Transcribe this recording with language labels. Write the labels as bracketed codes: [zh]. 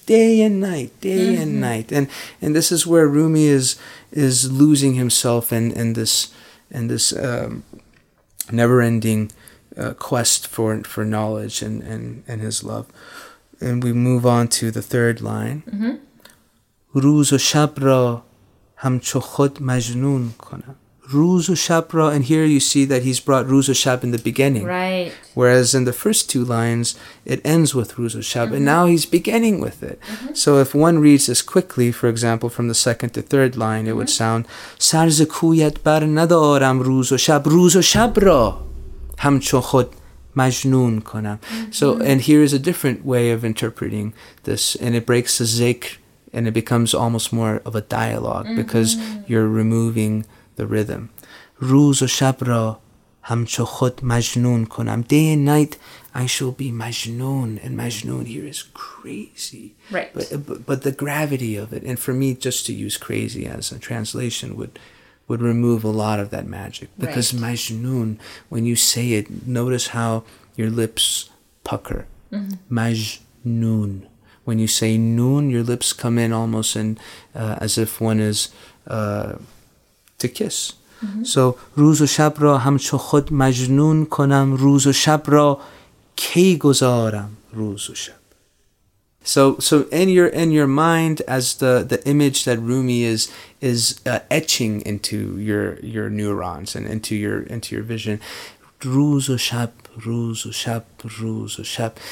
[en] Day and night, day mm-hmm. and night. And this is where Rumi is losing himself in this never-ending quest for knowledge and his love. And we move on to the third line. [fa] Rooz u shab ra همچو خود مجنون کنم. روز و شب را, [en] and here you see that he's brought روز و شب in the beginning. Right. Whereas in the first two lines, it ends with روز و شب, mm-hmm. and now he's beginning with it. Mm-hmm. So if one reads this quickly, for example, from the second to third line, it mm-hmm. would sound, [fa] سرز کویت بر ندارم روز و شب, روز و شب را همچو خود مجنون کنم. [en] So, and here is a different way of interpreting this, and it breaks the zikr, and it becomes almost more of a dialogue mm-hmm. because you're removing the rhythm. [fa] روز و شب را همچو خود مجنون کنم. [en] Day and night, I shall be مجنون. And مجنون here is crazy. Right. But the gravity of it, and for me, just to use crazy as a translation would remove a lot of that magic. Because right. مجنون, when you say it, notice how your lips pucker. Mm-hmm. [fa] مجنون. [en] When you say noon, your lips come in almost in, as if one is to kiss. Mm-hmm. [fa] So, روز و شب را همچو خود مجنون کنم. روز و شب را کی گذارم. روز و شب. [en] So in your mind, as the image that Rumi is etching into your neurons and into your vision. [fa] روز و شب. روز و شب, روز و شب.